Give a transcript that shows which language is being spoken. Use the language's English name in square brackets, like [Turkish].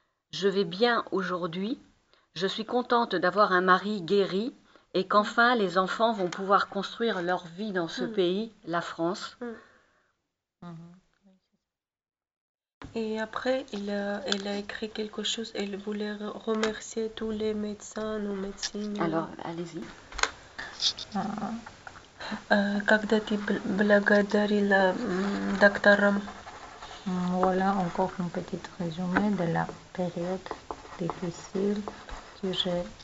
[French] Je vais bien aujourd'hui. Je suis contente d'avoir un mari guéri et qu'enfin les enfants vont pouvoir construire leur vie dans ce pays, la France. Et après, elle a écrit quelque chose. Elle voulait remercier tous les médecins en Alors, médecine. allez-y. [Russian] Когда ты благодарила докторам? [French] Voilà encore un petit résumé de la période difficile que j'ai